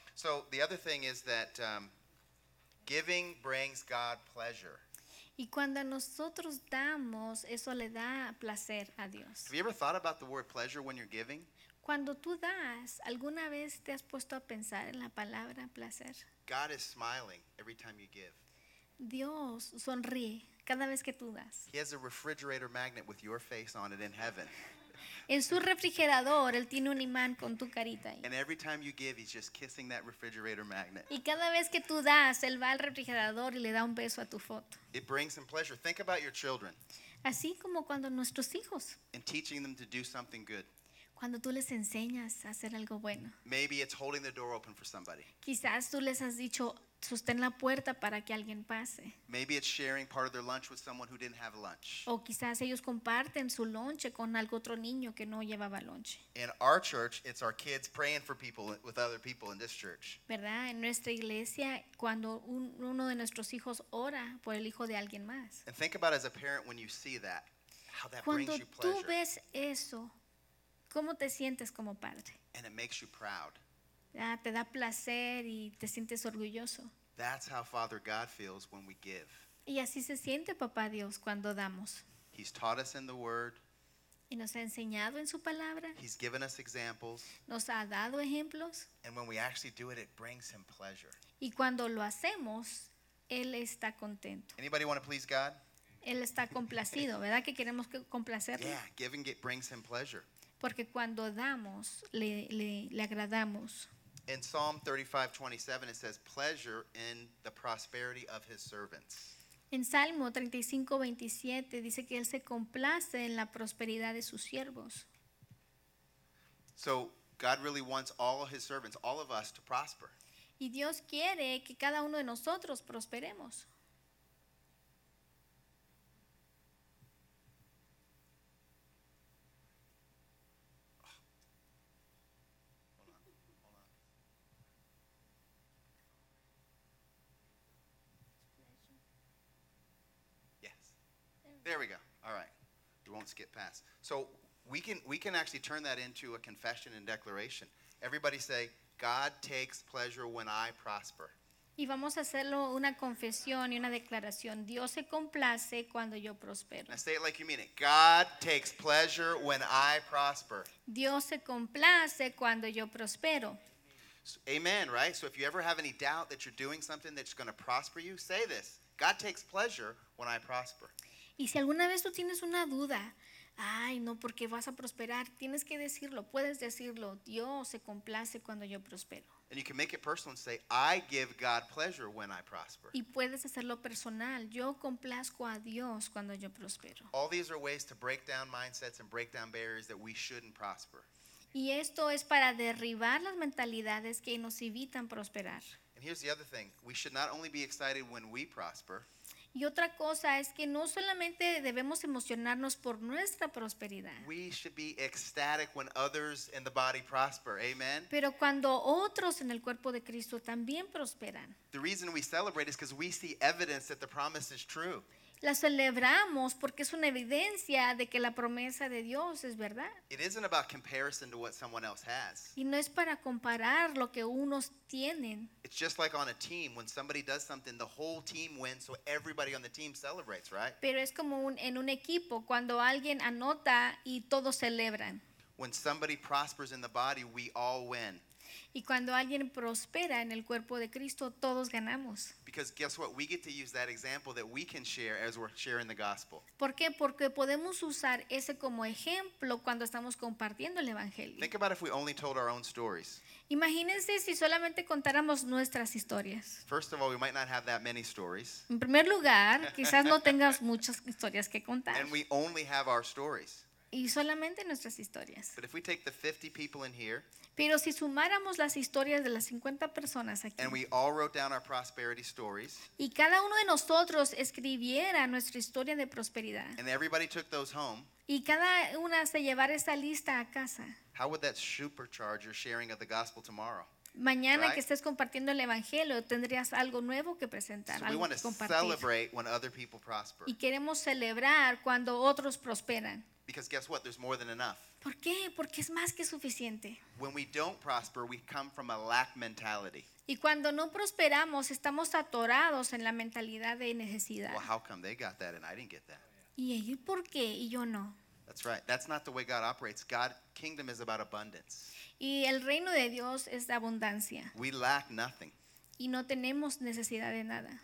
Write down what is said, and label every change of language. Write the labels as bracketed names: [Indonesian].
[English] So the other thing is that giving brings God pleasure. [Spanish] Y cuando nosotros damos, eso le da placer a Dios. [English] Have you ever thought about the word pleasure when you're giving? [Spanish] Cuando tú das, ¿alguna vez te has puesto a pensar en la palabra placer? [English] God is smiling every time you give. [Spanish] Dios sonríe cada vez que tú das. [English] He has a refrigerator magnet with your face on it in heaven. [Spanish] En su refrigerador, él tiene un imán con tu carita ahí. [English] And every time you give, he's just kissing that refrigerator magnet. [Spanish] Y cada vez que tú das, él va al refrigerador y le da un beso a tu foto. [English] It brings him pleasure. Think about your children. [Spanish] Así como cuando nuestros hijos. [English] And teaching them to do something good. [Spanish] Cuando tú les enseñas a hacer algo bueno. [English] Maybe it's holding the door open for somebody. [Spanish] Quizás tú les has dicho, sostén la puerta para que alguien pase. [English] Maybe it's sharing part of their lunch with someone who didn't have lunch. [Spanish] O quizás ellos comparten su lonche con algún otro niño que no llevaba lonche. [English] In our church, it's our kids praying for people with other people in this church. [Spanish] ¿Verdad? En nuestra iglesia, cuando uno de nuestros hijos ora por el hijo de alguien más. [English] And think about as a parent when you see that, how that [Spanish] cuando [English] brings you [Spanish] tú [English] pleasure. [Spanish] Ves eso, ¿cómo te sientes como padre? [English] And it makes you proud. [Spanish] Ah, te da placer y te sientes orgulloso. [English] That's how Father God feels when we give. [Spanish] Y así se siente Papá Dios cuando damos. [English] He's taught us in the Word. [Spanish] Y nos ha enseñado en su palabra. [English] He's given us examples. [Spanish] Nos ha dado ejemplos. [English] And when we actually do it, it brings him pleasure. [Spanish] Y cuando lo hacemos, él está contento. [English] Anybody want to please God? [Spanish] Él está complacido, ¿verdad? Que queremos complacerle. [English] Yeah, giving it brings him pleasure. [Spanish] Porque cuando damos, le agradamos. [English] In Psalm 35:27, it says, pleasure in the prosperity of his servants. [Spanish] En Salmo 35:27, dice que él se complace en la prosperidad de sus siervos. [English] So, God really wants all of his servants, all of us, to prosper. [Spanish] Y Dios quiere que cada uno de nosotros prosperemos. [English] There we go. All right. We won't skip past. So we can actually turn that into a confession and declaration. Everybody say, God takes pleasure when I prosper. [Spanish] Y vamos a hacerlo una confesión y una declaración. Dios se complace cuando yo prospero. [English] Now say it like you mean it. God takes pleasure when I prosper. [Spanish] Dios se complace cuando yo prospero. [English] So, amen, right? So if you ever have any doubt that you're doing something that's going to prosper you, say this. God takes pleasure when I prosper. [Spanish] Y si alguna vez tú tienes una duda, ay, no, porque vas a prosperar, tienes que decirlo, puedes decirlo, Dios se complace cuando yo prospero. [English] And you can make it personal and say, I give God pleasure when I prosper. [Spanish] Y puedes hacerlo personal, yo complazco a Dios cuando yo prospero. [English] All these are ways to break down mindsets and break down barriers that we shouldn't prosper. [Spanish] Y esto es para derribar las mentalidades que nos evitan prosperar. [English] And here's the other thing, we should not only be excited when we prosper. [Spanish] Y otra cosa es que no solamente debemos emocionarnos por nuestra prosperidad. [English] We should be ecstatic when others in the body prosper. Amen. [Spanish] Pero cuando otros en el cuerpo de Cristo también prosperan. [English] The reason we celebrate is because we see evidence that the promise is true. [Spanish] La celebramos porque es una evidencia de que la promesa de Dios es verdad. [English] It isn't about comparison to what someone else has. [Spanish] Y no es para comparar lo que unos tienen. [English] It's just like on a team. When somebody does something, the whole team wins, so everybody on the team celebrates, right? [Spanish] Pero es como en un equipo, cuando alguien anota y todos celebran. [English] When somebody prospers in the body, we all win. [Spanish] Y cuando alguien prospera en el cuerpo de Cristo, todos ganamos. [English] Because guess what? We get to use that example that we can share as we're sharing the gospel. [Spanish] ¿Por qué? Porque podemos usar ese como ejemplo cuando estamos compartiendo el evangelio. [English] Think about if we only told our own stories. [Spanish] Imagínense si solamente contáramos nuestras historias. [English] First of all, we might not have that many stories. [Spanish] En primer lugar, quizás no tengas muchas historias que contar. [English] And we only have our stories. [Spanish] y solamente nuestras historias. [English] But if we take the 50 people in here, [Spanish] pero si sumáramos las historias de las 50 personas aquí, [English] and we all wrote down our prosperity stories, [Spanish] y cada uno de nosotros escribiera nuestra historia de prosperidad, [English] and everybody took those home, [Spanish] y cada una se llevara esa lista a casa, [English] how would that supercharge your sharing of the gospel tomorrow? [Spanish] Mañana, right? Que estés compartiendo el evangelio, tendrías algo nuevo que presentar, [English] so [Spanish] algo [English] we want to celebrate when other people prosper. [Spanish] Y queremos celebrar cuando otros prosperan. [English] Because guess what? There's more than enough. [Spanish] ¿Por qué? Porque es más que suficiente. [English] When we don't prosper, we come from a lack mentality. [Spanish] Y cuando no prosperamos, estamos atorados en la mentalidad de necesidad. [English] Well, how come they got that and I didn't get that? [Spanish] ¿Y ellos por qué y yo no? [English] That's right. That's not the way God operates. God's kingdom is about abundance. [Spanish] Y el reino de Dios es de abundancia. [English] We lack nothing. [Spanish] Y no tenemos necesidad de nada.